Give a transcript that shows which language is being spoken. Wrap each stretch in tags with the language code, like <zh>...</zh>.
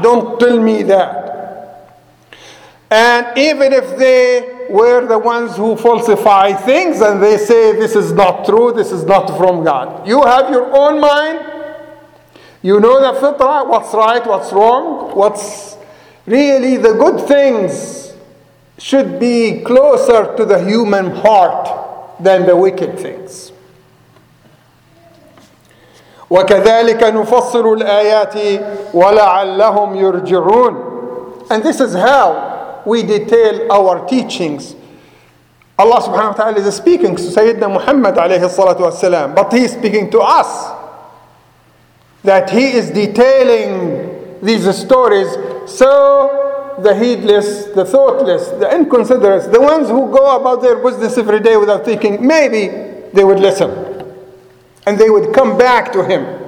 <en>Don't tell me that. And even if they were the ones who falsify things and they say this is not true, this is not from God. You have your own mind. You know the fitrah, what's right, what's wrong, what's really the good things should be closer to the human heart than the wicked things.</en> <ar>وكذلك نفصل الآيات ولعلهم يرجعون.</ar> <en>And this is how we detail our teachings. Allah subhanahu wa ta'ala is speaking to Sayyidina Muhammad alayhi salatu wasalam, but he is speaking to us, that he is detailing these stories so the heedless, the thoughtless, the inconsiderate, the ones who go about their business every day without thinking, maybe they would listen and they would come back to him.</en>